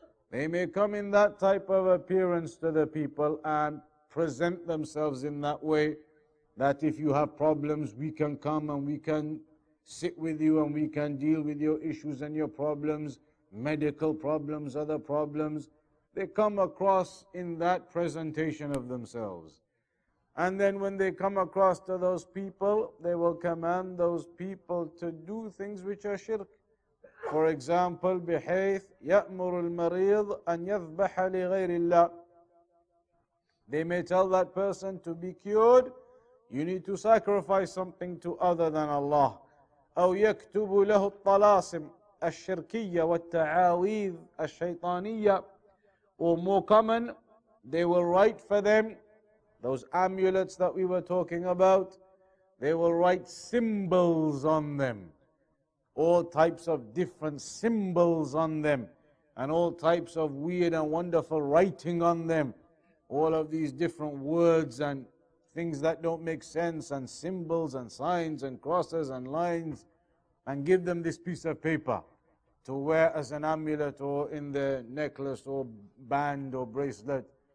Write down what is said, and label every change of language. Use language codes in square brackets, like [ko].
[en] They may come in that type of appearance to the people and present themselves in that way, that if you have problems, we can come and we can sit with you and we can deal with your issues and your problems, medical problems, other problems. They come across in that presentation of themselves. And then when they come across to those people, they will command those people to do things which are shirk. For example, [ar] بحيث يأمر المريض أن يذبح لغير الله. [en] They may tell that person, to be cured, you need to sacrifice something to other than Allah. [ar] أو يكتب له الطلاسم الشركية والتعاويذ الشيطانية. [en] Or more common, they will write for them those amulets that we were talking about. They will write symbols on them, all types of different symbols on them, and all types of weird and wonderful writing on them, all of these different words and things that don't make sense, and symbols and signs and crosses and lines, and give them this piece of paper to wear as an amulet or in their necklace or band or bracelet.